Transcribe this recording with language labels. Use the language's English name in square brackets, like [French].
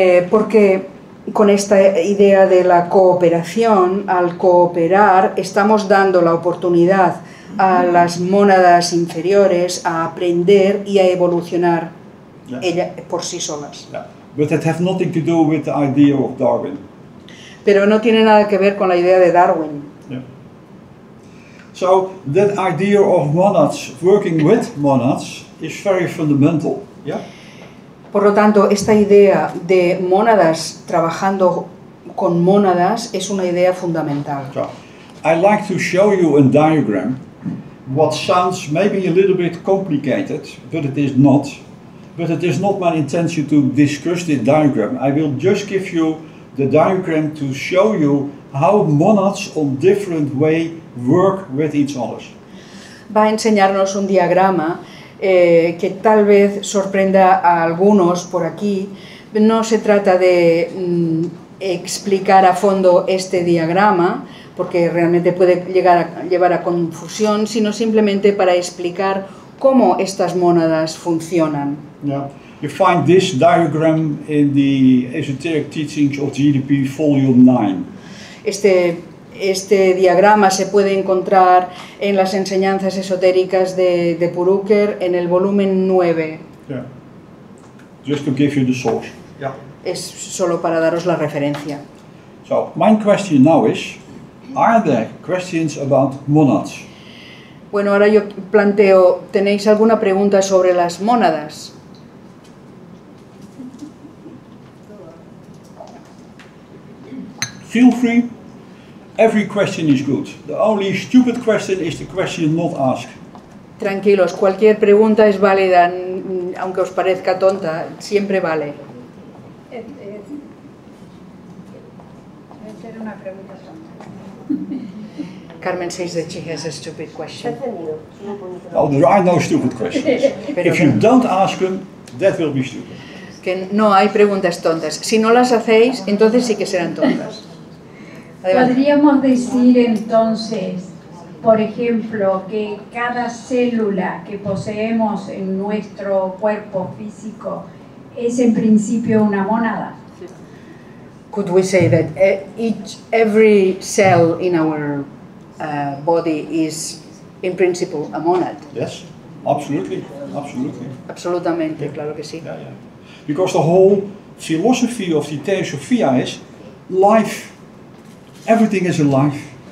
[Spanish] Porque con esta idea de la cooperación, al cooperar, estamos dando la oportunidad a las mónadas inferiores a aprender y a evolucionar ella por sí solas. [English] Yeah. But that has nothing to do with the idea of Darwin. [Spanish] Pero no tiene nada que ver con la idea de Darwin. [English] Yeah. So that idea of monads working with monads is very fundamental. Yeah. [Spanish] Por lo tanto, esta idea de mónadas trabajando con mónadas es una idea fundamental. [English] So, I'd like to show you a diagram, what sounds maybe a little bit complicated, but it is not. But it is not my intention to discuss the diagram. I will just give you the diagram to show you how monads on different way work with each other. [Spanish] Va a enseñarnos un diagrama que tal vez sorprenda a algunos por aquí. No se trata de explicar a fondo este diagrama, porque realmente puede llegar a llevar a confusión, sino simplemente para explicar cómo estas mónadas funcionan. [English] Yeah. You find this diagram in the Esoteric Teachings of GDP Volume 9. [Spanish] Este diagrama se puede encontrar en las enseñanzas esotéricas de Purukkher en el volumen 9. [English] Yeah. Just to give you the source. Yeah. [Spanish] Es solo para daros la referencia. [English] So, my question now is, are there questions about monads? [Spanish] Bueno, ahora yo planteo, ¿tenéis alguna pregunta sobre las mónadas? [English] Feel free. Every question is good. The only stupid question is the question not asked. [Spanish] Tranquilos, cualquier pregunta es válida, aunque os parezca tonta, siempre vale. Quiero hacer una pregunta. [English] Carmen says that she has a stupid question. No, there are no stupid questions. If you don't ask them, that will be stupid. [Spanish] Que no hay preguntas tontas. Si no las hacéis, entonces sí que serán tontas. ¿Podríamos decir entonces, por ejemplo, que cada célula que poseemos en nuestro cuerpo físico es en principio una mónada? [English] Could we say that every cell in our body is, in principle, a monad? Yes, absolutely, absolutely. [Spanish] Absolutamente, yeah. Claro que sí. [English] Yeah, yeah. Because the whole philosophy of the Theosophia is life, everything is alive.